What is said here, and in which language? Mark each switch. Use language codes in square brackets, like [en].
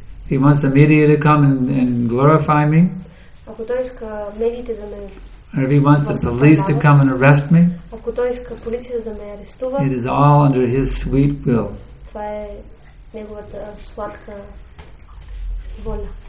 [en] He wants the media to come and glorify me. [bg] Ако той иска медиите да ме, [en] or if he wants the police to come and arrest me, [bg] ако той иска полицията да ме арестува, [en] it is all under his sweet will. [bg] Това е неговата сладка воля.